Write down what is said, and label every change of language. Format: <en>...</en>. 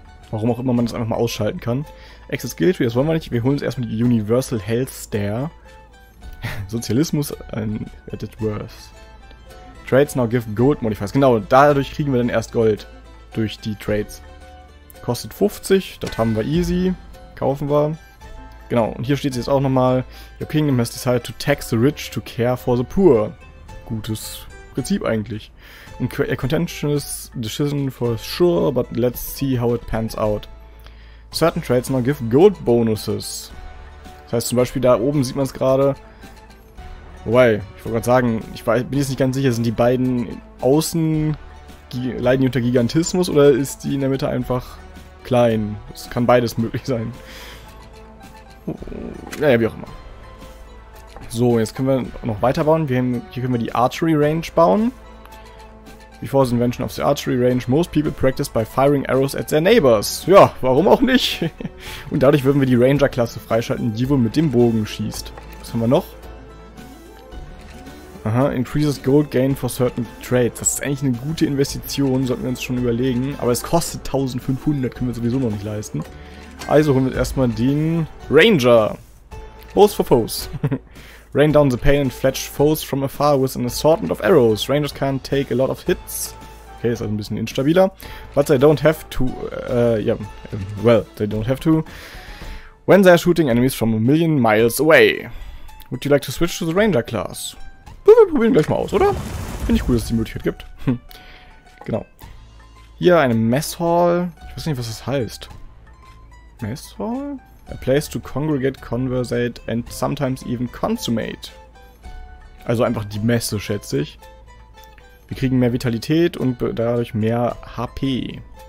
<de>Warum auch immer man das einfach mal ausschalten kann. Exit Skill Tree, das wollen wir nicht, wir holen uns erstmal die Universal Health Stare.</de> <en>Sozialismus at its worst. Trades now give gold modifiers.</en> <de>Genau, dadurch kriegen wir dann erst Gold. Durch die Trades. Kostet 50, das haben wir easy. Kaufen wir. Genau, und hier steht es jetzt auch nochmal.</de> <en>Your kingdom has decided to tax the rich to care for the poor.</en> <de>Gutes Prinzip eigentlich.</de> <en>A contentious decision for sure, but let's see how it pans out. Certain trades now give gold bonuses.</en> <de>Das heißt zum Beispiel, da oben sieht man es gerade. Wobei, ich wollte gerade sagen, bin jetzt nicht ganz sicher, sind die beiden außen, leiden die unter Gigantismus oder ist die in der Mitte einfach klein? Es kann beides möglich sein. Naja, wie auch immer. So, jetzt können wir noch weiterbauen. Hier können wir die Archery Range bauen.</de> <en>Before the invention of the Archery Range, most people practice by firing arrows at their neighbors.</en> <de>Ja, warum auch nicht? Und dadurch würden wir die Ranger-Klasse freischalten, die wohl mit dem Bogen schießt. Was haben wir noch? Aha,</de> <en>increases gold gain for certain trades.</en> <de>Das ist eigentlich eine gute Investition, sollten wir uns schon überlegen. Aber es kostet 1500, können wir sowieso noch nicht leisten. Also holen wir erstmal den Ranger.</de> <en>Bows for foes. Rain down the pain and fletch foes from afar with an assortment of arrows. Rangers can take a lot of hits. Okay,</en> <de>ist also ein bisschen instabiler.</de> <en>But they don't have to, when they're shooting enemies from a million miles away. Would you like to switch to the Ranger class?</en> <de>Wir probieren gleich mal aus, oder? Finde ich cool, dass es die Möglichkeit gibt. Genau. Hier eine Mess Hall. Ich weiß nicht, was das heißt. Mess Hall?</de> <en>A place to congregate, conversate and sometimes even consummate.</en> <de>Also einfach die Messe, schätze ich. Wir kriegen mehr Vitalität und dadurch mehr HP.</de>